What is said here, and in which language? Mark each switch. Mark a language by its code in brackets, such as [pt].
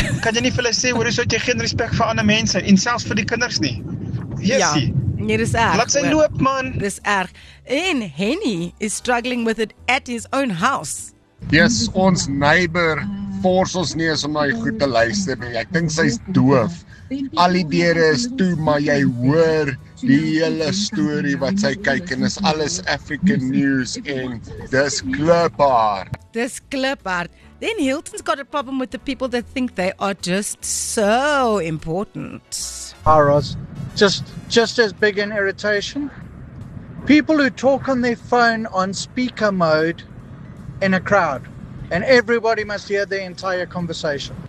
[af] Kan jy nie vir hulle sê hoor hoe jy geen respek vir ander mense en selfs vir die kinders nie? Yes. Ja, nee, dis erg. Laat sy loop, man. Dis erg. [en] En Henny is struggling with it at his own house. [af] Yes, ons neighbor force ons nie om na hy goed te luister nie. Ek dink sy's doof. Al die deure is toe, maar jy hoor die hele story wat sy kyk en is alles African news en dis kliphard. Dis kliphard. [en] Then Hilton's got a problem with the people that think they are just so important. Aros, just as big an irritation. People who talk on their phone on speaker mode in a crowd and everybody must hear the entire conversation.